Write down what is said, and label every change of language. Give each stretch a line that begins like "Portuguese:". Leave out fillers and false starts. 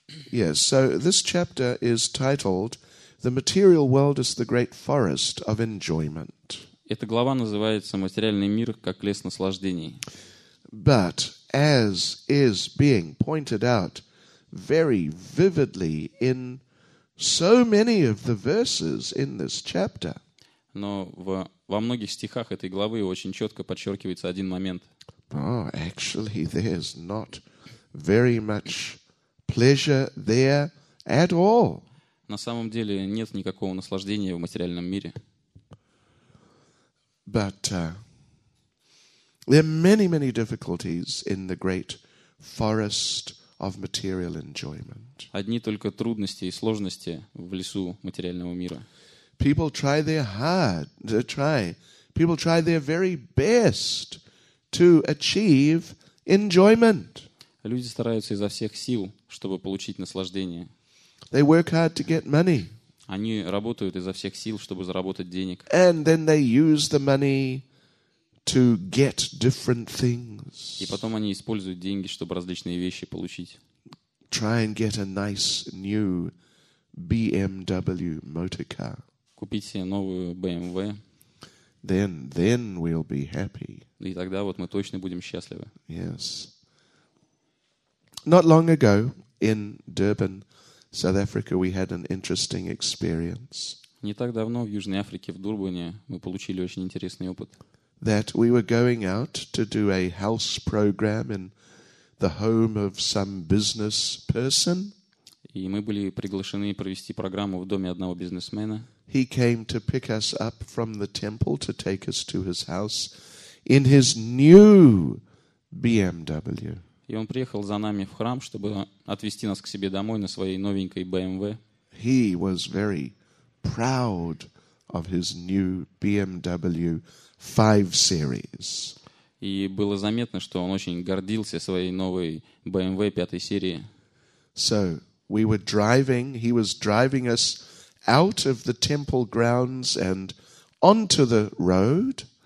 English: Yes, so this chapter is titled The Material World is the Great Forest of Enjoyment.
Russian: Эта глава называется «Материальный мир как лес наслаждений».
English: But as is being pointed out very vividly in so many of the verses in this chapter.
Russian: Но во многих стихах этой главы очень четко подчеркивается один момент.
English: Oh, actually, there's not very much pleasure there at all.
Russian: На самом деле нет никакого наслаждения в материальном мире.
English: But there are many, many difficulties in the great forest of material enjoyment.
Russian: Одни только трудности и сложности в лесу материального мира.
English: People try their hard to try. People try their very best to achieve enjoyment.
Russian: Люди стараются изо всех сил, чтобы получить наслаждение.
English: They work hard to get money.
Russian: Они работают изо всех сил, чтобы заработать денег.
English: And then they use the money to get different things.
Russian: И потом они используют деньги, чтобы различные вещи получить.
English: Try and get a nice new BMW motor car.
Russian: Купить себе новую BMW.
English: Then we'll be happy.
Russian: И тогда вот мы точно будем счастливы.
English: Yes. Not long ago in Durban, South Africa, we had an interesting experience.
Russian: Не так давно в Южной Африке, в Дурбане, мы получили очень интересный опыт.
English: That we were going out to do a house program in the home of some business person.
Russian: И мы были приглашены провести программу в доме одного бизнесмена.
English: He came to pick us up from the temple to take us to his house in his new BMW.
Russian: И он приехал за нами в храм, чтобы отвезти нас к себе домой на своей новенькой BMW.
English: He was very proud of his new BMW 5 series.
Russian: И было заметно, что он очень гордился своей новой BMW 5 серии.
English: So, we were driving, he was driving us out of the temple grounds and onto the road.